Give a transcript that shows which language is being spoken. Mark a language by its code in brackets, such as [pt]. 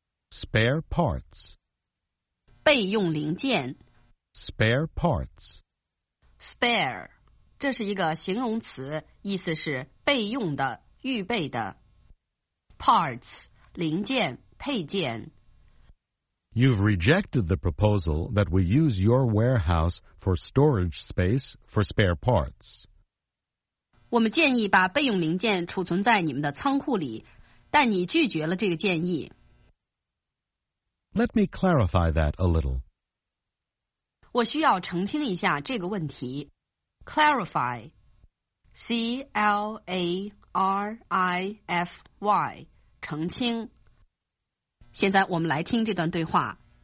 [en] Spare parts. [zh] 备用零件。 [en] Spare parts. Spare. [zh] 这是一个形容词，意思是备用的、预备的。 Parts. 零件、配件。 [en] You've rejected the proposal that we use your warehouse for storage space for spare parts. [zh] 我们建议把备用零件储存在你们的仓库里，但你拒绝了这个建议。 [en] Let me clarify that a little. [zh] 我需要澄清一下这个问题。 [en] Clarify, C-L-A-R-I-F-Y, [zh] 澄清。现在我们来听这段对话。